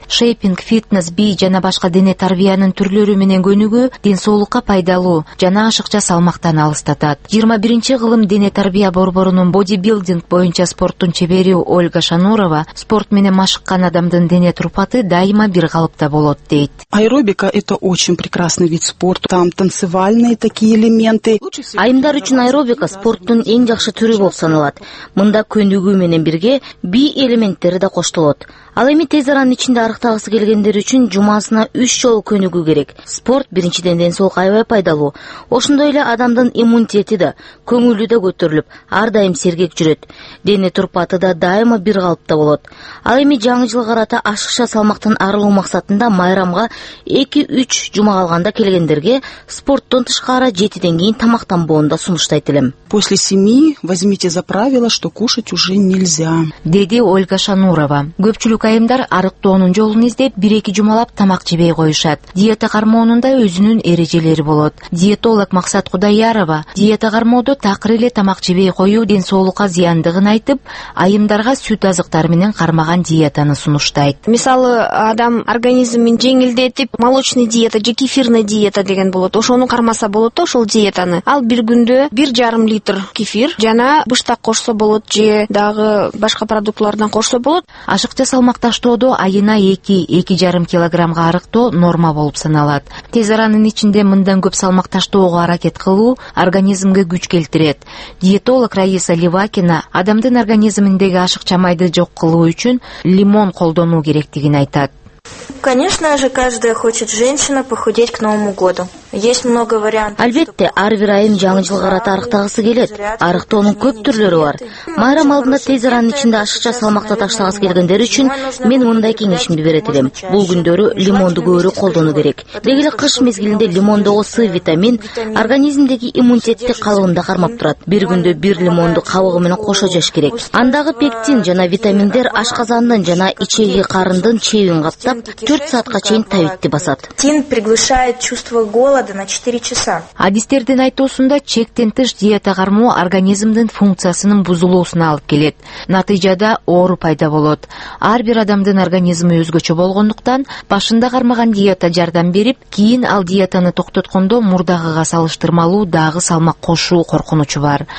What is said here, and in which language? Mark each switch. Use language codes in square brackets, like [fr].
[ky] Шейпинг, фитнес, бий жана башка дене тарбиянын түрлөрү менен көнүгүү ден соолукка пайдалуу жана ашыкча салмактан алыстатат. 21-чи кылым дене тарбия борборунун бодибилдинг боюнча спорттун чебери Ольга Шанурова спорт менен машыккан адамдын дене турпаты дайыма бир калыпта болот дейт. [ru] Аэробика это очень прекрасный вид спорта, там танцевальные такие элементы. [ky] Айымдар үчүн аэробика спорттун эң жакшы түрү болуп саналат. Мында көнүгүү менен бирге бий элементтери да коштолот. Ал эми тез аранын ичинде арыктагысы келгендер үчүн жумасына 3 жолу көнүгүү керек. Спорт биринчиден ден соолук аябай пайдалуу. Ошондой эле адамдын иммунитети да, көңүлү да көтөрүлүп, ар дайым сергек жүрөт. Дене турпаты да дайыма бир калыпта болот. Ал эми жаңы жыл карата ашыкча салмактан арылуу максатында майрамга 2-3 жума калганда келгендерге спорттон тышкары 7-ден кийин тамактанбоону да сунуштайт элем. [ru] После 7 возьмите за правило, что кушать уже нельзя. [ky] Деди Ольга Шанурова. Көпчүлүк айымдар арыктоонун жолун издеп 1-2 жумалап тамак жебей коюшат. Диета кармоонун да өзүнүн эрежелери болот. Диетолог Максат Кудаярова диета кармоодо такыр эле тамак жебей коюу ден соолукка зыяндыгын айтып, айымдарга сүт азыктары менен кармаган диетаны сунуштайт. Мисалы, адам организмин жеңилдетип, молочный диета же кефирный диета деген болот. Ошону кармаса болот да ошол диетаны. Ал бир күндө 1,5 литр кефир жана быштак кошсо болот же дагы башка продуктлардан кошсо болот. Ашыкча салмакташтоодо айына 2-2,5 килограммга арыктоо норма болуп саналат. Тез аранын ичинде мындан көп салмакташтоого аракет кылуу организмге күч келтирет. Диетолог Раиса Левакина адамдын организминдеги ашыкча майды жок кылуу үчүн лимон колдонуу керектигин айтат. [ru] Конечно же, каждая хочет женщина похудеть к Новому году. Есть много вариантов. [ky] Албетте, ар бир айым жаңы жылга карата арыктагысы келет. Арыктоонун көп түрлөрү бар. Майрам алдында тез аранын ичинде ашыкча салмакта таштагысы келгендер үчүн мен мындай кеңешимди берет элем. Бул күндөрү лимонду көбүрөөк колдонуу керек. Деги эле кыш мезгилинде лимондогу С витамин организмдеги иммунитетти калыбында кармап турат. Бир күндө бир лимонду кабыгы менен кошо жеш керек. Андагы пектин жана витаминдер ашказандын жана ичеги карындын чебин каптап 4 саатка чейин табитти басат. [ru] Тин приглушает чувство голода на 4 часа. [ky] Адистердин айтуусунда чектен тыш диета кармоо организмдин функциясынын бузулуусуна алып келет. Натыйжада оору пайда болот. Ар бир адамдын организми өзгөчө болгондуктан, башында кармаган диета жардам берип, кийин ал диетаны токтоткондо мурдагыга салыштырмалуу дагы салмак кошуу коркунучу бар.